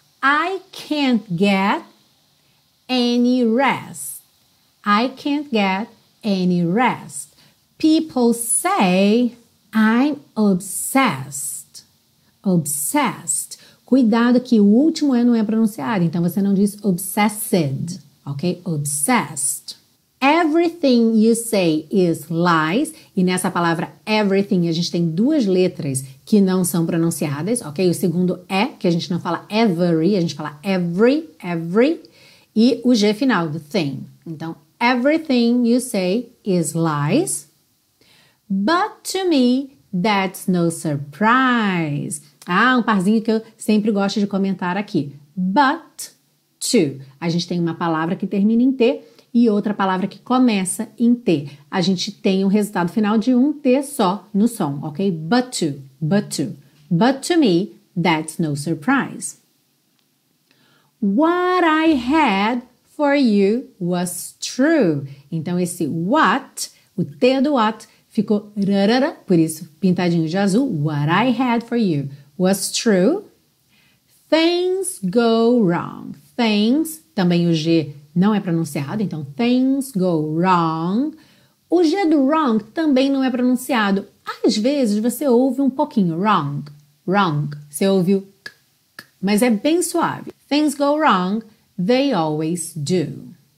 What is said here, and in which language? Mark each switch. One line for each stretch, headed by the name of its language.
English: I can't get any rest. I can't get any rest. People say I'm obsessed. Obsessed.
Portuguese: Cuidado que o último E não é pronunciado, então você não diz obsessed, ok?
English: Obsessed. Everything you say is lies.
Portuguese: E nessa palavra everything, a gente tem duas letras que não são pronunciadas, ok? O segundo E, que a gente não fala every, a gente fala every, every. E o G final,
English: the thing. Então, everything you say is lies. But to me, that's no surprise.
Portuguese: Ah, um parzinho que eu sempre gosto de comentar aqui.
English: But to.
Portuguese: A gente tem uma palavra que termina em T e outra palavra que começa em T. A gente tem um resultado final de um T só no som, ok?
English: But to, but to. But to me, that's no surprise. What I had for you was true.
Portuguese: Então, esse what, o T do what, ficou rarara, por isso pintadinho de azul.
English: What I had for you was true. Things go wrong.
Portuguese: Things, também o G não é pronunciado, então
English: things go wrong.
Portuguese: O G do wrong também não é pronunciado. Às vezes você ouve um pouquinho wrong, wrong. Você ouve o k, k, mas é bem suave.
English: Things go wrong, they always do.